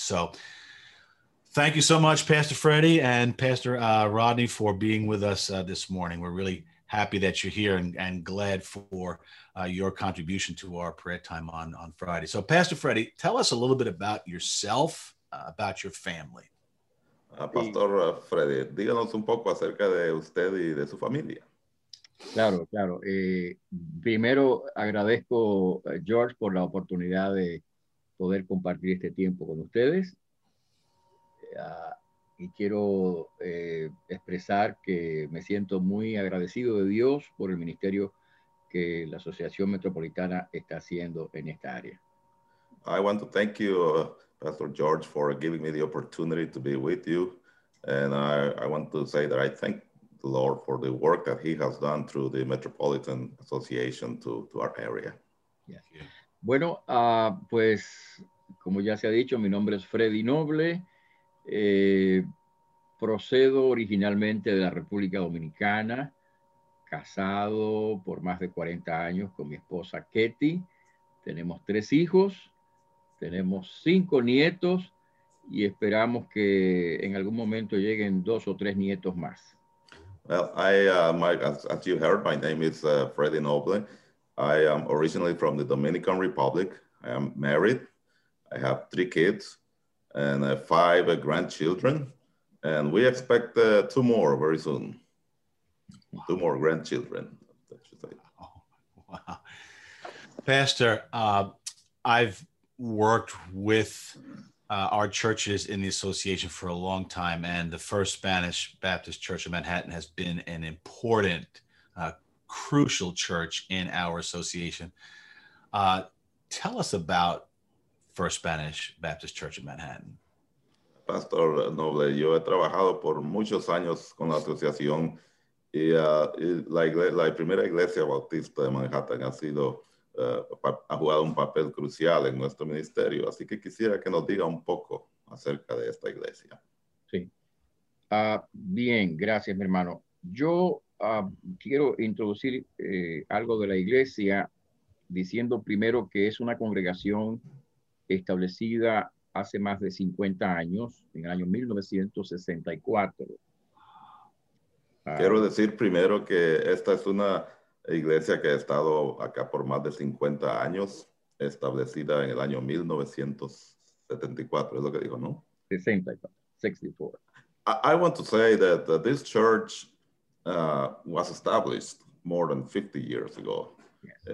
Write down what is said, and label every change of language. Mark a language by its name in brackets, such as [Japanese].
[English] So thank you so much, Pastor Freddie and Pastor Rodney, for being with us this morning. We're really happy that you're here and glad for your contribution to our prayer time on Friday. So Pastor Freddie, tell us a little bit about yourself, about your family. [Spanish] Pastor Freddy, díganos un poco acerca de usted y de su familia. Claro, claro. Primero, agradezco a George por la oportunidad de poder compartir este tiempo con ustedes. Y quiero expresar que me siento muy agradecido de Dios por el ministerio que la Asociación Metropolitana está haciendo en esta área. [English] I want to thank you, Pastor George, for giving me the opportunity to be with you. And I want to say that I thank the Lord for the work that he has done through the Metropolitan Association to our area. Yes. [Spanish] Bueno, pues, como ya se ha dicho, mi nombre es Freddy Noble. Procedo originalmente de la República Dominicana, casado por más de 40 años con mi esposa Ketty. Tenemos tres hijos. Tenemos cinco nietos y esperamos que en algún momento lleguen dos o tres nietos más. [English] Well, as you heard, my name is Freddy Noble. I am originally from the Dominican Republic. I am married. I have three kids and five grandchildren. And we expect two more very soon. Wow. Two more grandchildren, I should say. Wow. Pastor, I've worked with our churches in the association for a long time, and the First Spanish Baptist Church of Manhattan has been an important, crucial church in our association. Tell us about First Spanish Baptist Church of Manhattan. [Spanish] Pastor Noble, yo he trabajado por muchos años con la asociación y la primera iglesia bautista de Manhattan ha sido ha jugado un papel crucial en nuestro ministerio, así que quisiera que nos diga un poco acerca de esta iglesia. Sí. Bien, gracias, mi hermano. Yo quiero introducir algo de la iglesia diciendo primero que es una congregación establecida hace más de 50 años, en el año 1964. Quiero decir primero que esta es una iglesia que ha estado acá por más de 50 años, establecida en el año 1974, es lo que dijo, ¿no? 64. [English] I want to say that this church was established more than 50 years ago, yes.